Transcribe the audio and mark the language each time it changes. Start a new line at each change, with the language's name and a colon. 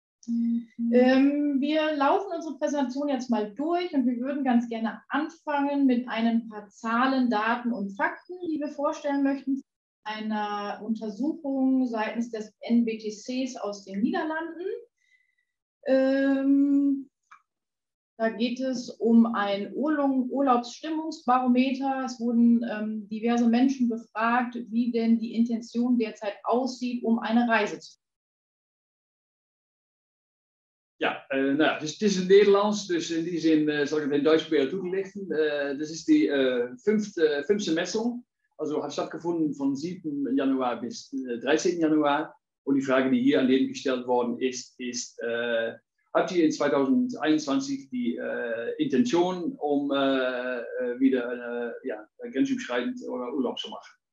German: Mhm. Wir laufen unsere Präsentation jetzt mal durch und wir würden ganz gerne anfangen mit ein paar Zahlen, Daten und Fakten, die wir vorstellen möchten, einer Untersuchung seitens des NBTCs aus den Niederlanden. Da geht es um ein Urlaubsstimmungsbarometer. Es wurden diverse Menschen befragt, wie denn die Intention derzeit aussieht, um eine Reise zu machen.
Dutch: Ja, nou, dus het is in Nederlands, dus in die zin zal ik het in Duits proberen toe te lichten.
German: Dus is die fünfte Messung, also hat stattgefunden von 7 Januar bis 13 Januar. Und die Frage, die hier an denen gestellt worden ist, ist, habt ihr in 2021 die Intention, um wieder ja, grenzüberschreitend oder Urlaub zu machen?